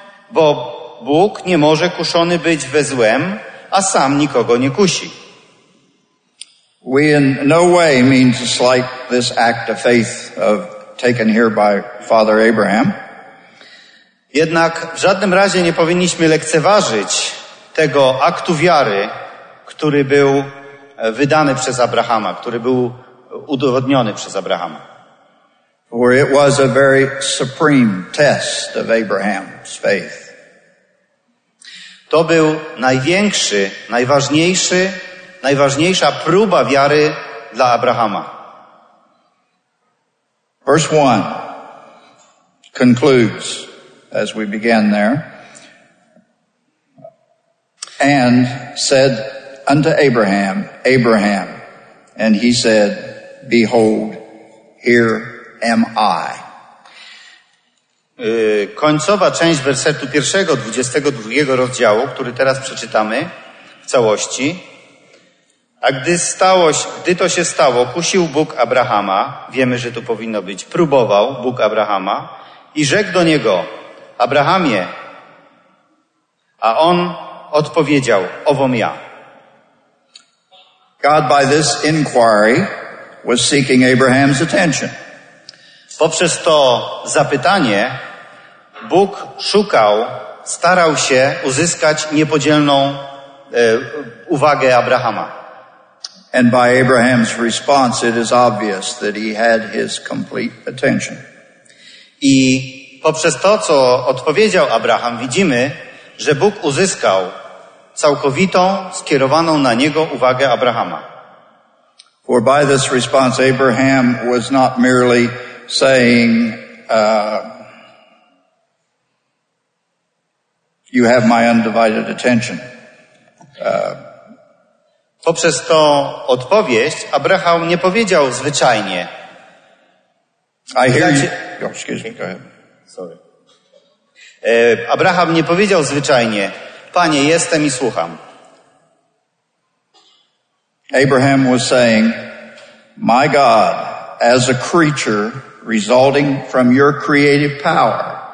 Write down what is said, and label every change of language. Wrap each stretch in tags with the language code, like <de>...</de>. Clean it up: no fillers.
<pl>Bo Bóg nie może kuszony być we złem, a sam nikogo nie kusi.</pl> <en>We in no way mean to slight this act of faith of taken here by Father Abraham.</en> <pl>Jednak w żadnym razie nie powinniśmy lekceważyć tego aktu wiary, który był wydany przez Abrahama, który był udowodniony przez Abrahama.</pl> <en>For it was a very supreme test of Abraham's faith.</en> <pl>To był największy, najważniejszy, najważniejsza próba wiary dla Abrahama.</pl> <en>Verse 1 concludes, as we began there, and said unto Abraham, Abraham, and he said, Behold, here am I.</en> <pl>Końcowa część wersetu pierwszego, 22 rozdziału, który teraz przeczytamy w całości. A gdy to się stało, kusił Bóg Abrahama, wiemy, że tu powinno być, próbował Bóg Abrahama i rzekł do niego, Abrahamie, a on odpowiedział, owom ja.</pl> <en>God by this inquiry was seeking Abraham's attention.</en> <pl>Poprzez to zapytanie Bóg starał się uzyskać niepodzielną uwagę Abrahama.</pl> <en>And by Abraham's response, it is obvious that he had his complete attention.</en> <pl>I poprzez to, co odpowiedział Abraham, widzimy, że Bóg uzyskał całkowitą, skierowaną na niego uwagę Abrahama.</pl> <en>For by this response, Abraham was not merely saying, you have my undivided attention.</en> <pl>Poprzez tą odpowiedź Abraham nie powiedział zwyczajnie,</pl> <en>I hear you. Oh, excuse me, go ahead. Sorry.</en> <pl>Abraham nie powiedział zwyczajnie: Panie, jestem i słucham.</pl> <en>Abraham was saying, my God, as a creature resulting from your creative power.</en>